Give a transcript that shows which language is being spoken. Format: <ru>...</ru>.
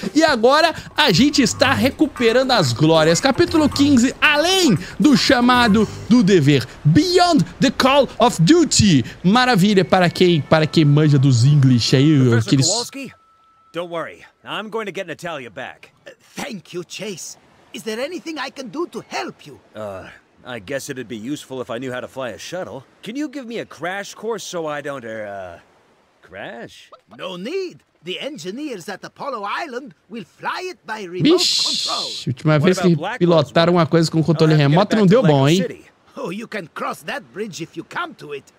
<pt>E agora a gente está recuperando as glórias. Capítulo 15, além do chamado do dever. Beyond the Call of Duty. Maravilha, para quem manja dos English aí, aqueles...</pt> <en>Don't worry. I'm going to get Natalia back. Thank you, Chase. Is there anything I can do to help you? I guess it'd be useful if I knew how to fly a shuttle. Can you give me a crash course so I don't, crash? No need. The engineers at Apollo Island will fly it by remote control.</en> <pt>Última vez que pilotaram uma coisa com controle remoto não deu bom, hein?</pt> <en>Oh, you can cross that bridge if you come to it.</en>